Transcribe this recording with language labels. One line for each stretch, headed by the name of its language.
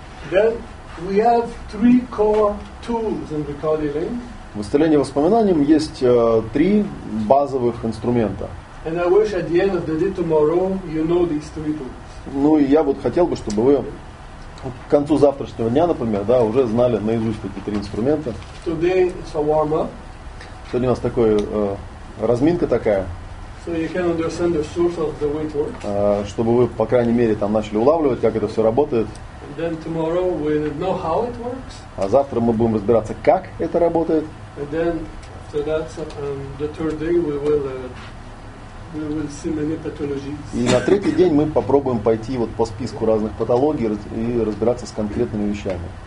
English: Then we have three core tools in recall healing.
Russian: В исцелении воспоминаниям есть три базовых инструмента.
English: And I wish at the end of the day tomorrow you know these three tools.
Russian: Ну и я вот хотел бы, чтобы вы к концу завтрашнего дня, например, да, уже знали наизусть эти три инструмента.
English: Today it's a warm-up.
Russian: Сегодня у нас такая разминка такая.
English: So you can understand the source of the way it works.
Russian: Чтобы вы, по крайней мере, там начали улавливать, как это все работает.
English: And then tomorrow we know how it works.
Russian: А завтра мы будем разбираться, как это работает.
English: And then after that, the third day we will
Russian: И на третий день мы попробуем пойти вот по списку разных патологий и разбираться с конкретными вещами.